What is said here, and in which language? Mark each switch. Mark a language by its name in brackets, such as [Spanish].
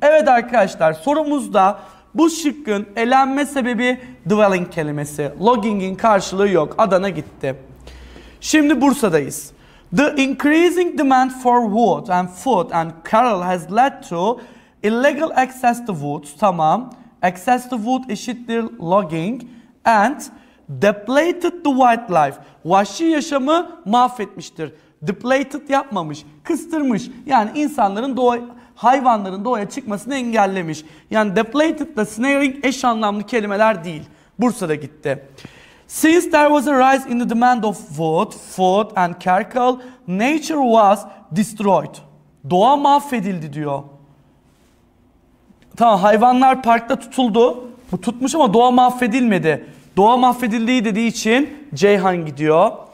[Turkish] Evet arkadaşlar, sorumuzda bu şıkkın elenme sebebi dwelling kelimesi. Logging'in karşılığı yok. Adana gitti. Şimdi Bursa'dayız. [English] The increasing demand for wood and food and cattle has led to illegal access to wood. [Turkish] Tamam. [English] Access to wood [Turkish] eşittir [English] logging and depleted the wildlife. [Turkish] Vahşi yaşamı mahvetmiştir. Depleted yapmamış, kıstırmış. Yani insanların hayvanların doğaya çıkmasını engellemiş. Yani depleted da snaring eş anlamlı kelimeler değil. Bursa'da gitti. [English] Since there was a rise in the demand of wood, food and charcoal, nature was destroyed. [Turkish] Doğa mahvedildi diyor. Tamam, hayvanlar parkta tutuldu. Bu tutmuş ama doğa mahvedilmedi. Doğa mahvedildiği dediği için Ceyhan gidiyor.